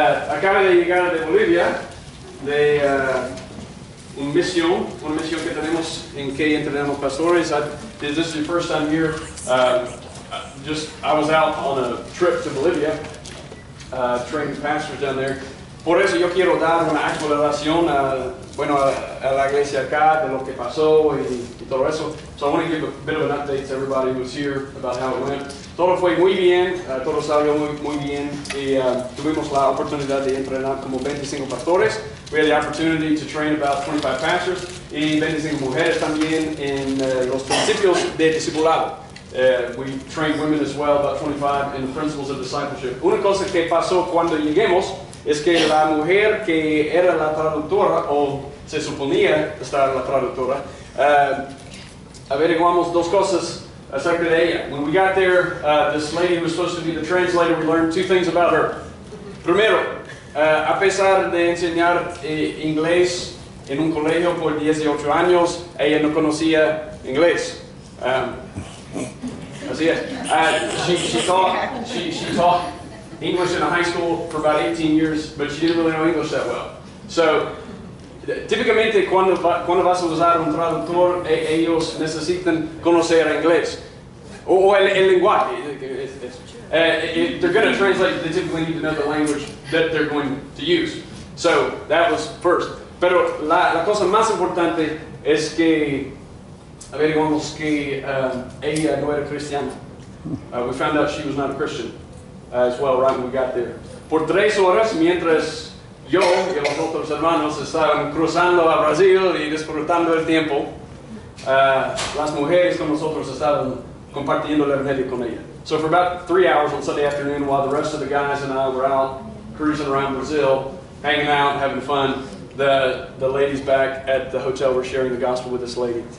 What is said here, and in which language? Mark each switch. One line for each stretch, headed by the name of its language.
Spanish: Acabo de llegar de Bolivia, de una misión que tenemos en que entrenamos pastores.
English: This is the first time here. I was out on a trip to Bolivia, training pastors down there.
Spanish: Por eso yo quiero dar una actualización a la iglesia acá de lo que pasó y todo eso.
English: So I want to give a bit of an update to everybody who was here about how it went.
Spanish: Todo fue muy bien, todo salió muy, muy bien, y tuvimos la oportunidad de entrenar como 25 pastores.
English: We had the opportunity to train about 25 pastors,
Spanish: y 25 mujeres también en los principios de discipulado.
English: We trained women as well, about 25, in the principles of discipleship.
Spanish: Una cosa que pasó cuando lleguemos es que la mujer que era la traductora, o se suponía estar la traductora, averiguamos dos cosas.
English: When we got there, this lady who was supposed to be the translator, we learned two things about her.
Spanish: Primero, a pesar de enseñar inglés en un colegio por 18 años, ella no conocía inglés. Así es.
English: She taught English in a high school for about 18 years, but she didn't really know English that well.
Spanish: So, típicamente cuando vas a usar un traductor, ellos necesitan conocer inglés. Or el lenguaje.
English: If they're going to translate, they typically need to know the language that they're going to use. So that was first.
Spanish: Pero la cosa más importante es que averiguamos que ella no era cristiana.
English: We found out she was not a Christian as well right when we got there.
Spanish: Por tres horas, mientras yo y los otros hermanos estaban cruzando a Brasil y disfrutando el tiempo, las mujeres con nosotros estaban compartiendo el evangelio con ella.
English: So for about 3 hours on Sunday afternoon, while the rest of the guys and I were out cruising around Brazil, hanging out, having fun, the ladies back at the hotel were sharing the gospel with this lady.